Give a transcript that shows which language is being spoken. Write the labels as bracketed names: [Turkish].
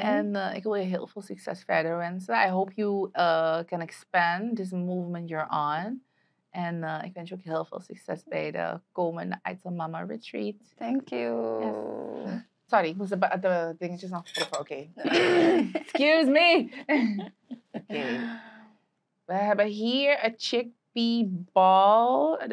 [Dutch] En ik wil je heel veel succes verder wensen. [English] I hope you can expand this movement you're on. [Dutch] En ik wens je ook heel veel succes bij de komende Aito Mama Retreat. [English] Thank you. Yes. [Dutch] Sorry, ik moest de dingetjes nog proeven. Oké. Okay. [English] Excuse me. [Dutch] Okay. We hebben hier een chickpea ball.